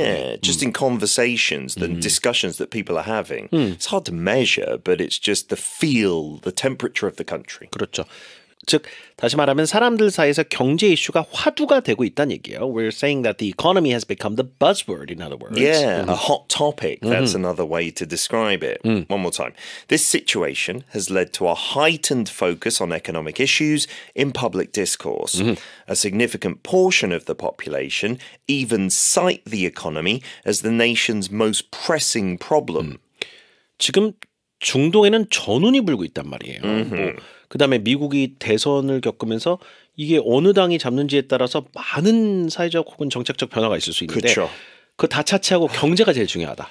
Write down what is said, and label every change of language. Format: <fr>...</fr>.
<en>Yeah, just in conversations, the discussions that people are having. It's hard to measure, but it's just the feel, the temperature of the country.</en> <ko>그렇죠. 즉, 다시 말하면 사람들 사이에서 경제 이슈가 화두가 되고 있다는 얘기예요.</ko> <en>We're saying that the economy has become the buzzword, in other words. Yeah, a hot topic. That's another way to describe it. One more time. This situation has led to a heightened focus on economic issues in public discourse. A significant portion of the population even cite the economy as the nation's most pressing problem.</en> <ko>지금 중동에는 전운이 불고 있단 말이에요. 그다음에 미국이 대선을 겪으면서 이게 어느 당이 잡는지에 따라서 많은 사회적 혹은 정책적 변화가 있을 수 있는데 그쵸. 그 다차치하고 경제가 제일 중요하다.</ko>